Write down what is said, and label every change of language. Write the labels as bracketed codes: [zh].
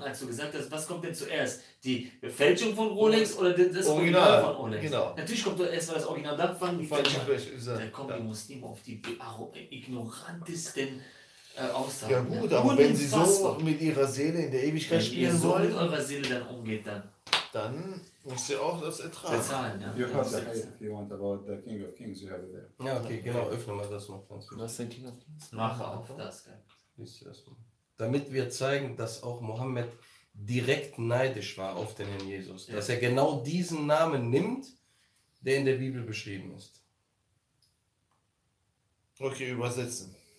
[de] Als du gesagt hast, was kommt denn zuerst? Die Fälschung von Rolex oder das Original von Rolex? Genau. Natürlich kommt erst mal das Original, dann fangen die Fälschung. Dann kommen die Muslime auf die ignorantesten Aussagen. Ja gut, aber wenn sie so mit ihrer Seele in der Ewigkeit spielen sollen. Wenn ihr so mit eurer Seele dann umgeht, dann... Dann musst du auch das ertragen. Bezahlen, ja. [en] You have the hate if you want about the King of Kings, you have it there. [de] Ja, okay, genau, öffne mal das noch. Was ist denn King of Kings? Mach auf das, gell. Damit wir zeigen, dass auch Mohammed direkt neidisch war auf den Herrn Jesus. Ja. Dass er genau diesen Namen nimmt, der in der Bibel beschrieben ist. Okay, übersetzen.